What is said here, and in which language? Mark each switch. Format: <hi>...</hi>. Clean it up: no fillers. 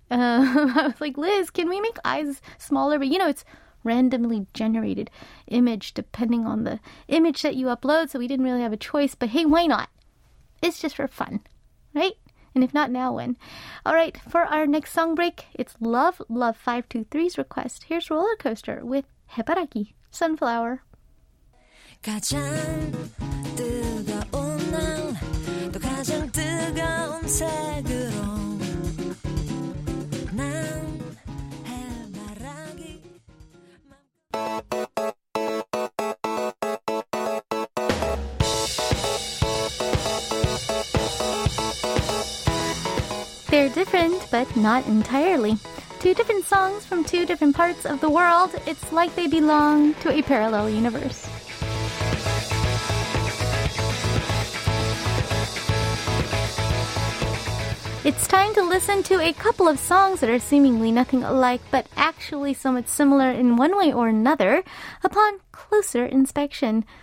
<en>I was like, Liz, can we make eyes smaller? But, you know, it's randomly generated image depending on the image that you upload, so we didn't really have a choice. But hey, why not? It's just for fun, right? And if not now, when? All right, for our next song break, it's Love, Love 523's request. Here's Roller Coaster with 해바라기, Sunflower.</en> <ko>가장 뜨거운 날, 또 가장 뜨거운 색으로 난 해바라기</ko> <en>They're different, but not entirely. Two different songs from two different parts of the world. It's like they belong to a parallel universe. It's time to listen to a couple of songs that are seemingly nothing alike, but actually somewhat similar in one way or another, upon closer inspection.</en>